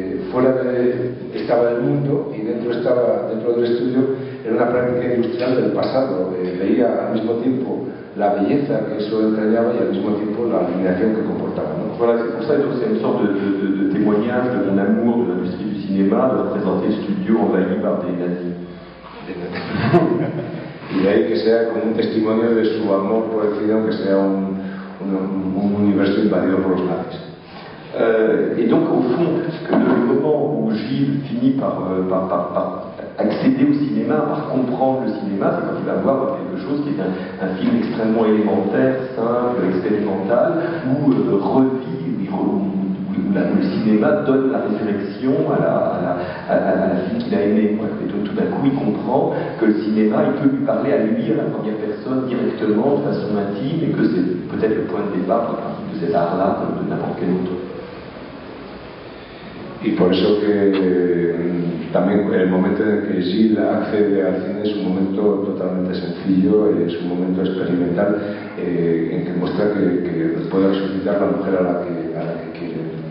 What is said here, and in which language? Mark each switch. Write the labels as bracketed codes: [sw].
[es] Fuera estaba el mundo y dentro del estudio era una práctica industrial del pasado. Veía al mismo tiempo la belleza que eso entrañaba y al mismo tiempo la alineación que comportaba, ¿no? [fr] Voilà, c'est pour ça que c'est une sorte de témoignage de mon amour de l'industrie du cinéma, de représenter le studio envahi par des nazis. [es] Y ahí que sea como un testimonio de su amor por el cine, aunque sea un universo invadido por los nazis. [fr] Et donc, au fond, le moment où Gilles finit par accéder au cinéma, par comprendre le cinéma, c'est quand il va voir quelque chose qui est un film extrêmement élémentaire, simple, expérimental, où revit, où le cinéma donne la résurrection à la fille qu'il a aimée. Quoi. Et donc, tout d'un coup, il comprend que le cinéma, il peut lui parler à lui, à la première personne, directement, de façon intime, et que c'est peut-être le point de départ de cet art-là, comme de n'importe quel autre. [es] Y por eso que también el momento en el que Gilles accede al cine es un momento totalmente sencillo, es un momento experimental en que muestra que puede resucitar la mujer a la que quiere.